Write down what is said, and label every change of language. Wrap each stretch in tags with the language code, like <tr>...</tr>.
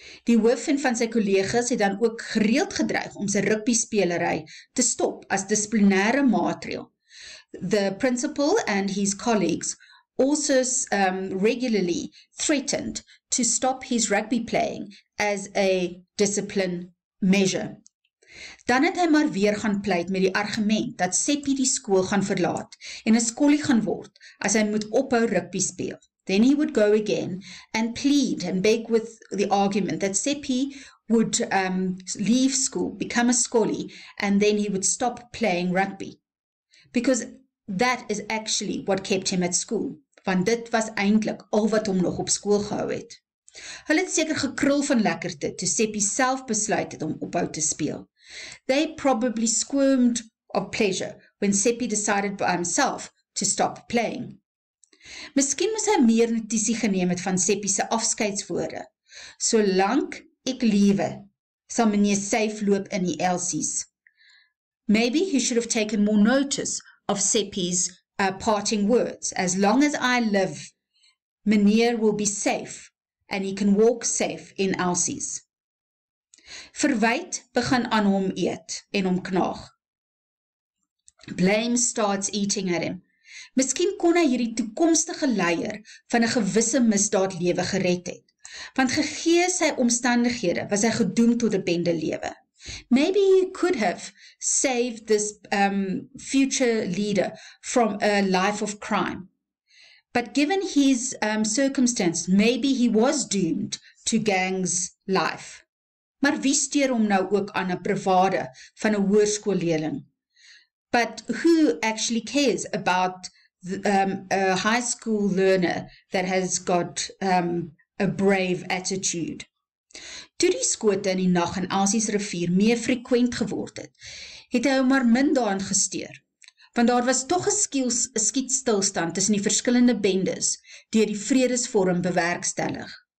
<af>Die hoofvriend van sy kollegas het dan ook gereeld gedreig om sy rugbyspelery te stop as dissiplinêre maatreël.</af> <en>The principal and his colleagues also regularly threatened to stop his rugby playing as a discipline measure.</en> <af>Dan het hy maar weer gaan pleit met die argument dat Seppie die skool gaan verlaat en 'n skollie gaan word as hy moet ophou rugby speel.</af> <en>Then he would go again and plead and beg with the argument that Seppie would leave school, become a scholie, and then he would stop playing rugby. Because that is actually what kept him at school,</en> <af>want dit was eintlik al wat hom nog op skool gehou het. Hulle het seker gekrul van lekkerte toe Seppie self besluit het om ophou te speel.</af> <en>They probably squirmed of pleasure when Seppie decided by himself to stop playing.</en> <af>Miskien moes hy meer notisie geneem het van Seppie se afskeidswoorde. Solank ek lewe, sal meneer safe loop in die Elsies.</af> <en>Maybe he should have taken more notice of Seppie's parting words. As long as I live, meneer will be safe and he can walk safe in Elsies.</en> <af>Verwyte begin aan hom eet en hom knaag.</af> <en>Blame starts eating at him.</en> <af>Miskien kon hy hierdie toekomstige leier van 'n gewisse misdaad lewe gered het, want gegee sy omstandighede was hy gedoem tot 'n bende lewe.</af> <en>Maybe he could have saved this future leader from a life of crime. But given his circumstance, maybe he was doomed to gang's life.</en> <af>Maar wie steur hom nou ook aan 'n privade van 'n hoërskoolleerling?</af> <en>But who actually cares about a high school learner that has got a brave attitude?</en> <af>Toe die skote in die nag in Elsies rivier meer frequent geword het, het hy maar min daarin gesteur, want daar was tog 'n skietstilstand tussen die verskillende bendes deur die vredesvorm bewerkstellig.</af>